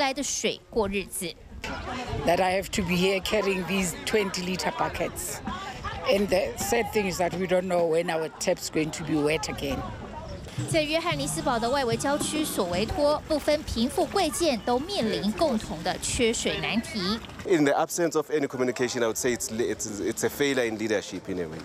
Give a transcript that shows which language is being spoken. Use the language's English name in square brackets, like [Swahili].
[Chinese] 派出律师团拒捕，并且否认收贿指控。官员的贪污，老百姓看了更心寒。因为他们现在连最基本的水都不知道何时会来，只能靠提来的水过日子。That [English] I have to be here carrying these 20-liter buckets. And the sad thing is that we don't know when our tap's going to be wet again. [Chinese] 在约翰尼斯堡的外围郊区，所为托不分贫富贵贱，都面临共同的缺水难题。In [English] the absence of any communication, I would say it's a failure in leadership in a way.